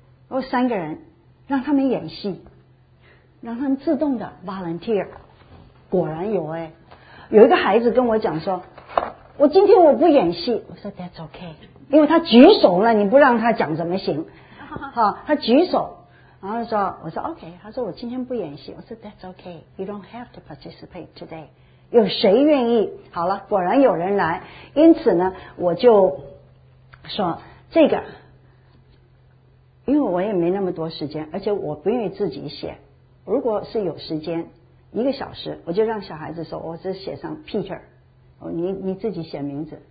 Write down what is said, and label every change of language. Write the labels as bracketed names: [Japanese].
[Chinese] 我三个人让他们演戏，让他们自动的 volunteer。果然有，有一个孩子跟我讲说，我今天我不演戏。我说 [English] that's ok， [Chinese] 因为他举手了，你不让他讲怎么行？他举手，然后说，我说 OK， 他说我今天不演戏。我说 [English] That's OK， You don't have to participate today。 [Chinese] 有谁愿意？好了，果然有人来。因此呢，我就说这个，因为我也没那么多时间，而且我不愿意自己写。如果是有时间一个小时，我就让小孩子说，我只写上 Peter， 你自己写名字。